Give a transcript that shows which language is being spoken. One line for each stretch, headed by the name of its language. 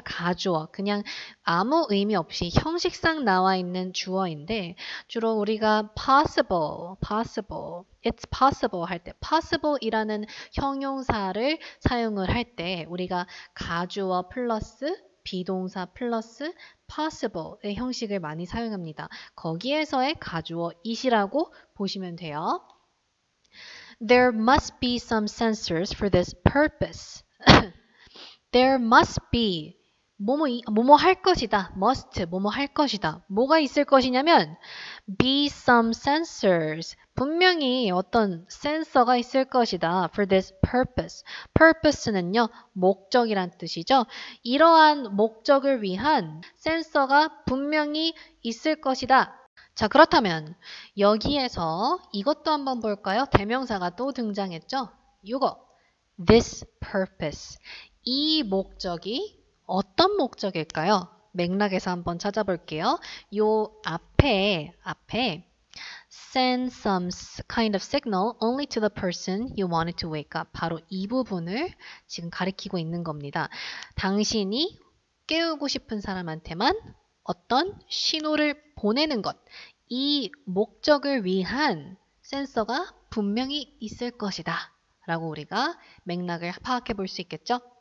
Korean: 가주어. 그냥 아무 의미 없이 형식상 나와 있는 주어인데, 주로 우리가 possible, possible,
English: it's possible
Korean: 할 때, possible 이라는 형용사를 사용을 할 때, 우리가 가주어 플러스 비동사 플러스 possible의 형식을 많이 사용합니다. 거기에서의 가주어 it이라고 보시면 돼요.
English: There must be some sensors for this purpose. There must be
Korean: 뭐뭐 할 것이다. Must 뭐뭐 할 것이다. 뭐가 있을 것이냐면
English: be some sensors.
Korean: 분명히 어떤 센서가 있을 것이다.
English: For this purpose.
Korean: Purpose는요, 목적이란 뜻이죠. 이러한 목적을 위한 센서가 분명히 있을 것이다. 자, 그렇다면 여기에서 이것도 한번 볼까요? 대명사가 또 등장했죠? 이거, this purpose. 이 목적이 어떤 목적일까요? 맥락에서 한번 찾아볼게요. 요 앞에
English: send some kind of signal only to the person you wanted to wake up.
Korean: 바로 이 부분을 지금 가리키고 있는 겁니다. 당신이 깨우고 싶은 사람한테만 어떤 신호를 보내는 것. 이 목적을 위한 센서가 분명히 있을 것이다. 라고 우리가 맥락을 파악해 볼 수 있겠죠?